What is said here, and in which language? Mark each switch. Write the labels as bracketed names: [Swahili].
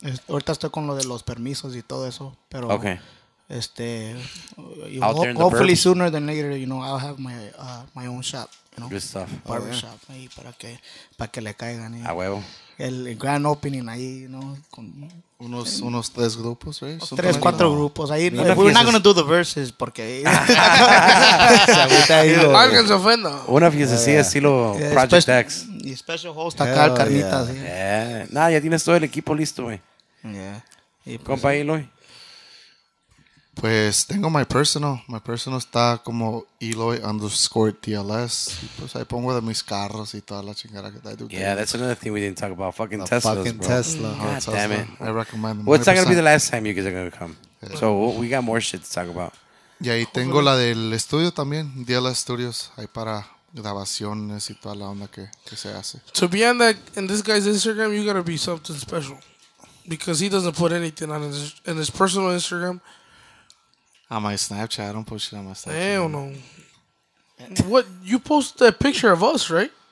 [Spanish] Ahorita estoy con lo de los permisos y todo eso, pero [English] okay. Este, hopefully burbs. Sooner than later, you know, I'll have my my own shop, you know. Good stuff. Barber oh, yeah. Shop [Spanish] ahí para que le caigan. A huevo. [English] El grand opening [Spanish] ahí, [English] you know, con... [Spanish] Unos tres grupos, [English] right? [Spanish] Tres, [English] so [Spanish] cuatro grupos. Ahí, no, [English] we're not going to do the verses [Spanish] porque... Alguien se ofenda. Una fiesta así, estilo Project [English] Special, X. [Spanish] Y [English] special host [Spanish] acá, el Carlitas. [English] Yeah. [Spanish] Nah, ya tienes todo el equipo listo, güey. [English] Yeah. [Spanish] Y pues, compa, sí. Eloy. Pues tengo [English] my personal. My personal [Spanish] está como Eloy_TLS. Y pues ahí pongo de mis carros y toda la chingada que [English] I do. Yeah, that's another thing we didn't talk about. Fucking the Teslas, fucking bro. Tesla. God Tesla. Damn it. I recommend them. Well, it's not going to be the last time you guys are going to come. Yeah. So we got more shit to talk about. [Spanish] Y ahí tengo la del estudio también. TLS Studios. Ahí para grabaciones y toda la onda que se hace. [English] To be on that, in this guy's Instagram, you got to be something special. Because he doesn't put anything on his, in his personal Instagram. On my Snapchat, I don't post shit on my Snapchat. Hell no. What, you posted that picture of us, right?